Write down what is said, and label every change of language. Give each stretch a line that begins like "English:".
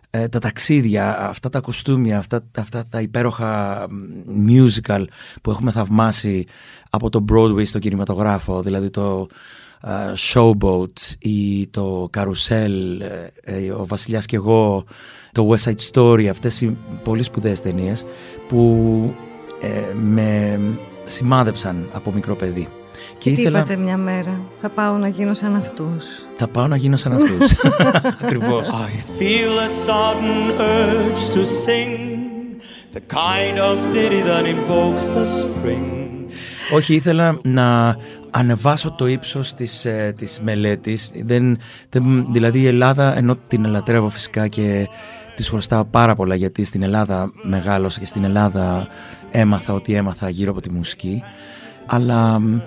Greek: Τα ταξίδια, αυτά τα κουστούμια, αυτά τα υπέροχα musical που έχουμε θαυμάσει από το Broadway στο κινηματογράφο, δηλαδή το Showboat ή το Carousel, ο Βασιλιάς και εγώ, το West Side Story, αυτές οι πολύ σπουδαίες ταινίες που με σημάδεψαν από μικρό παιδί. Και ήθελα... είπατε μια μέρα, θα πάω να γίνω σαν αυτούς. Θα πάω να γίνω σαν αυτούς. Ακριβώς.
English: I feel a sudden urge to sing the kind of ditty that invokes the spring.
Greek: Όχι, ήθελα να ανεβάσω το ύψος της μελέτης. Δηλαδή η Ελλάδα, ενώ την λατρεύω φυσικά και της χρωστάω πάρα πολλά, γιατί στην Ελλάδα μεγάλωσα και στην Ελλάδα έμαθα ό,τι έμαθα γύρω από τη μουσική. Αλλά...